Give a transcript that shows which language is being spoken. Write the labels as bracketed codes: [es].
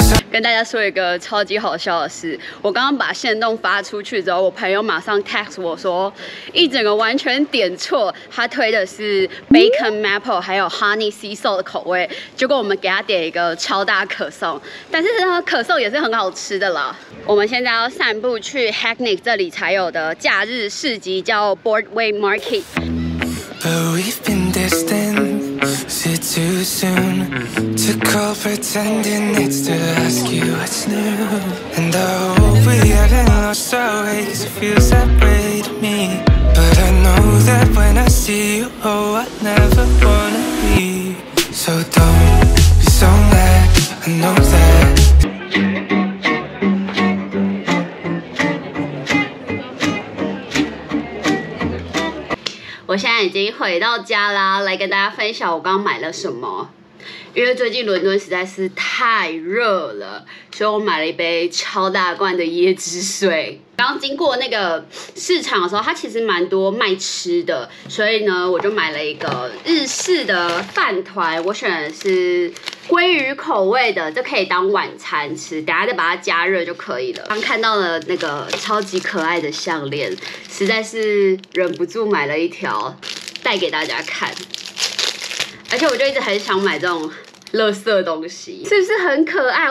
[zh] 跟大家说一个超级好笑的事，我刚刚把限动发出去之后，我朋友马上 text 我说一整个完全点错，他推的是 bacon maple 还有 honey sea salt 的口味，结果我们给他点一个超大可颂，但是呢可颂也是很好吃的啦。我们现在要散步去 Hackney 这里才有的假日市集，叫 Broadway Market。 [en] But we've been distant, is it too soon? To call pretending it's to ask you what's new And I hope we haven't lost our way Cause it feels separate me But I know that when I see you Oh, I never wanna leave So don't be so mad I know that [zh] 我现在已经回到家啦，来跟大家分享我刚买了什么。因为最近伦敦实在是太热了，所以我买了一杯超大罐的椰汁水。刚经过那个市场的时候，它其实蛮多卖吃的，所以呢我就买了一个日式的饭团，我选的是鲑鱼口味的，这可以当晚餐吃，等下再把它加热就可以了。刚看到了那个超级可爱的项链，实在是忍不住买了一条带给大家看，而且我就一直很想买这种垃圾东西，是不是很可爱？